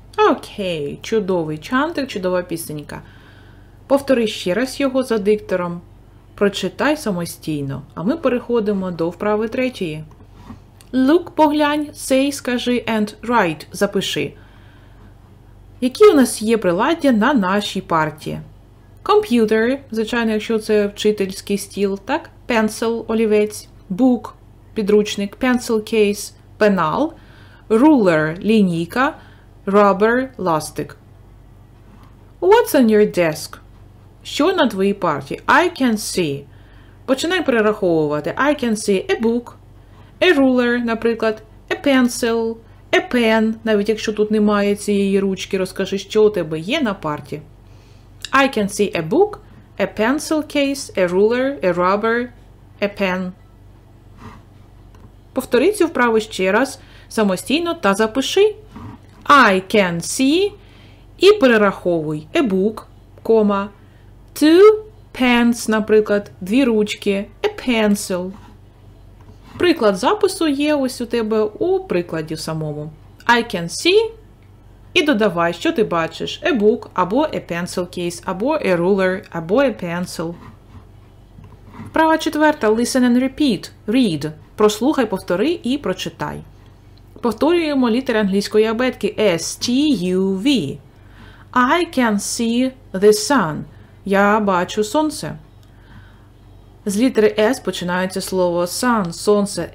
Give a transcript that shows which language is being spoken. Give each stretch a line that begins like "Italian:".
Ukrainian: Окей, чудовий чантик, чудова пісенька. Повтори ще раз його за диктором. Прочитай самостійно. А ми переходимо до вправи третьої.
English: Look,
Ukrainian: поглянь,
English: say,
Ukrainian: скажи,
English: and write,
Ukrainian: запиши. Які у нас є приладдя на нашій парті? Computer, звичайно, якщо це вчительський стіл, так? Pencil, олівець. Book, підручник.
English: Pencil case,
Ukrainian: пенал. Ruler, лінійка. Rubber, ластик.
English: What's on your desk?
Ukrainian: Що на твоїй парті?
English: I can see.
Ukrainian: Починай перераховувати.
English: I can see a book, a ruler,
Ukrainian: наприклад,
English: a pencil, a pen.
Ukrainian: Навіть якщо тут немає цієї ручки, розкажи, що у тебе є на парті.
English: I can see a book, a pencil case, a ruler, a rubber, a pen.
Ukrainian: Повтори цю вправу ще раз самостійно та запиши.
English: I can see
Ukrainian: і перераховуй.
English: A book,
Ukrainian: кома.
English: Two pens,
Ukrainian: наприклад, дві ручки,
English: a pencil.
Ukrainian: Приклад запису є ось у тебе у прикладі самому.
English: I can see.
Ukrainian: І додавай, що ти бачиш.
English: A book,
Ukrainian: або
English: a pencil case, або a ruler, або a pencil.
Ukrainian: Вправа четверта.
English: Listen and repeat. Read.
Ukrainian: Прослухай, повтори і прочитай. Повторюємо літери англійської абетки.
English: S-T-U-V. I can see the sun.
Ukrainian: Я бачу сонце. З літери S починається слово sun, сонце.